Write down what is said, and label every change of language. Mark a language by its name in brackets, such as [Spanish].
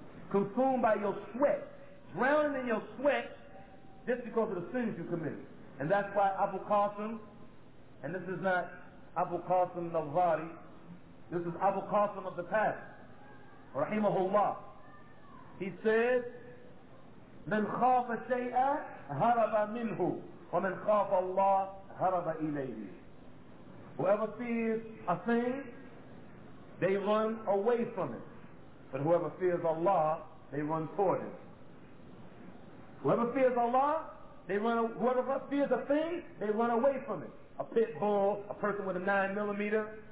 [English] Consumed by your sweat, drowning in your sweat just because of the sins you committed. And that's why Abu Qasim, and this is not Abu Qasim Nawari, this is Abu Qasim of the past, rahimahullah. He says, [Arabic] من خاف شيئا هرب منه ومن خاف الله هرب إليه. [English] Whoever fears a thing, they run away from it. But whoever fears Allah, they run toward it. Whoever fears Allah, they run. Whoever fears a thing, they run away from it. A pit bull, a person with a 9mm.